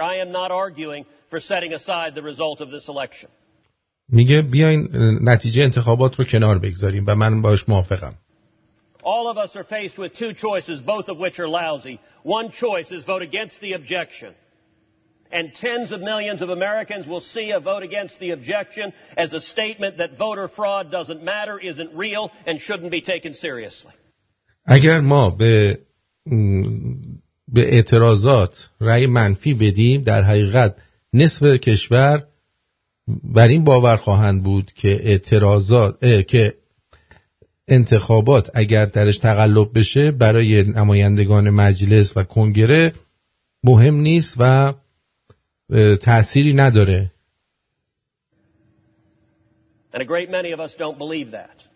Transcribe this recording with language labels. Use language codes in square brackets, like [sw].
[en] I am not arguing for setting aside the result of this election. [fa] میگه بیاین نتیجه انتخابات رو کنار بگذاریم و من باش موافقم. [en] All of us are faced with two choices, both of which are lousy. One choice is vote against the objection. And tens of millions of Americans will see a vote against the objection as a statement that voter fraud doesn't matter, isn't real, and shouldn't be taken seriously. [fa] اگر ما به اعتراضات رأی منفی بدیم، در حقیقت نصف کشور بر این باور خواهند بود که اعتراضات که انتخابات اگر درش تقلب بشه برای نمایندگان مجلس و کنگره مهم نیست و تأثیری نداره. [en] And a great many of us don't believe that.